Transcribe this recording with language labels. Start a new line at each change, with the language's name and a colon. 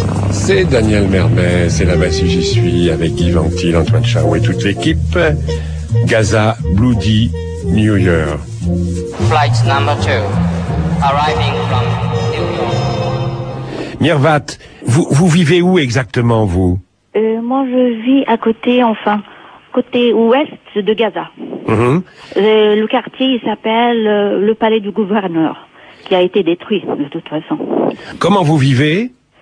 French: C'est Daniel Mermet, c'est là-bas si j'y suis, avec Guy Ventil, Antoine Chao et toute l'équipe.
English: Gaza, Bloody New Year. Flight number 2, arriving from New York.
French: Mirvat, vous vivez où exactement, vous? Moi, je vis à côté, enfin, côté ouest de Gaza. Mm-hmm. Le quartier, il s'appelle le palais du gouverneur, qui a été détruit, de toute façon. Comment vous vivez?